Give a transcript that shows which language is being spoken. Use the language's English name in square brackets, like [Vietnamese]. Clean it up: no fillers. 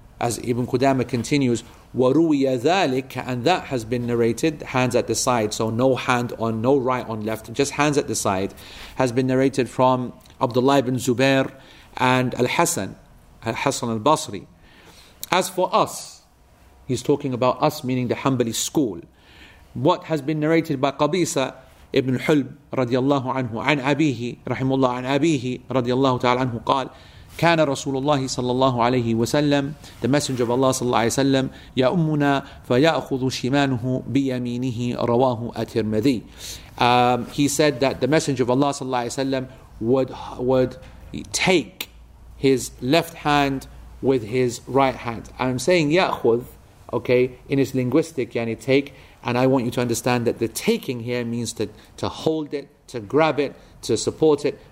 [English] As Ibn Qudama continues, [Arabic] وَرُوِيَ ذَلِكَ, [English] and that has been narrated, hands at the side, so no hand on, no right on left, just hands at the side, has been narrated from Abdullah ibn Zubair and Al-Hassan al-Basri. As for us, he's talking about us, meaning the Hanbali school, what has been narrated by Qabisa ibn Hulb, radiallahu anhu, an abihi, rahimullah, an abihi, radiallahu ta'ala anhu, qal, [Arabic] كان رسول الله صلى الله عليه وسلم, [English] the messenger of Allah [Arabic] صلى الله عليه وسلم, يا أمنا فيأخذ شمانه بيمينه رواه الترمذي. [English] He said that the messenger of Allah صلى الله عليه وسلم would take his left hand with his right hand. I'm saying يأخذ, okay, in its linguistic, يعني take, and I want you to understand that the taking here means to hold it, to grab it, to support it.